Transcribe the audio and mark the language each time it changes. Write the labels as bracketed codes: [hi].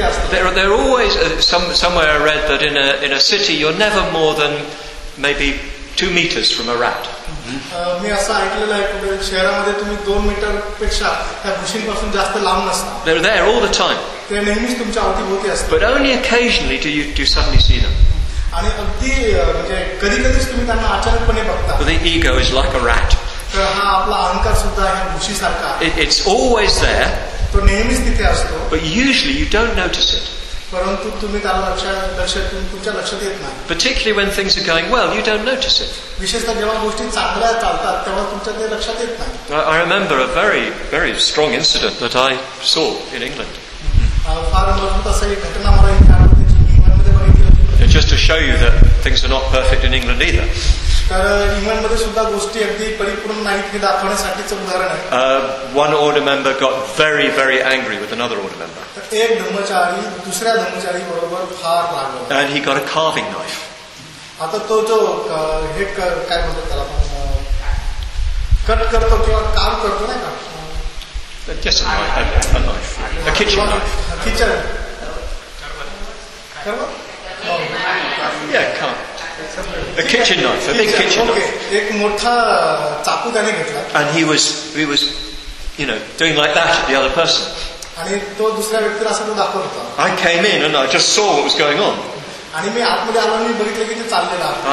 [en] There are always somewhere I read that in a city you're never more than maybe 2 meters from a rat. [mr] मी असं ऐकलेलं आहे की शहरामध्ये तुम्ही 2 metre पेक्षा त्या घुशींपासून जास्त लांब नसता. [en] They're there all the time. [mr] ते नेहमीच तुमच्या अवतीभोवती असतात. [en] But only occasionally do you suddenly see them. [mr] आणि अगदी म्हणजे कधी कधीच तुम्ही त्यांना अचानकपणे बघता. [en] The ego is like a rat. [mr] तर हा आपला अहंकार सुद्धा ह्या घुशीसारखा. [en] It's always there. [mr] तो नेहमीच तिथे असतो. [en] But usually you don't notice it. [mr] परंतु तुम्ही त्याला तुमच्या लक्षात येत नाही. [en] Particularly when things are going well, you don't notice it. [mr] विशेषतः जेव्हा गोष्टी चांगल्या चालतात तेव्हा तुमच्या ते लक्षात येत नाही. [en] I remember a very very strong incident that I saw in England. [mr] फार मजबूत असा एक घटना मला इंग्लंडमध्ये बघितली. [en] Just to show you that things are not perfect in England either. [mr] तर इंग्लंडमध्ये सुद्धा गोष्टी अगदी परिपूर्ण नाहीत हे दाखवण्यासाठीच उदाहरण आहे. [en] One order member got very very angry with another order member. [mr] एक धर्मचारी दुसऱ्या धर्मचारी बरोबर फार रागला. [en] And he got a carving knife. [mr] आता तो जो हिट काय म्हणतो त्याला कट करतो किंवा काम करतो नाही का [en] just a knife. A kitchen knife. Kitchen yeah come a kitchen knife, a big kitchen knife. [mr] एक मोठा चाकू त्याने घेतला. [en] And he was you know doing like that at the other person. [mr] आणि तो दुसऱ्या व्यक्तीला असं दाखवत होता. [en] I came in and I just saw what was going on. [mr] आणि मी आतमध्ये आलो मी बघितलं की ते चाललेलं आहे.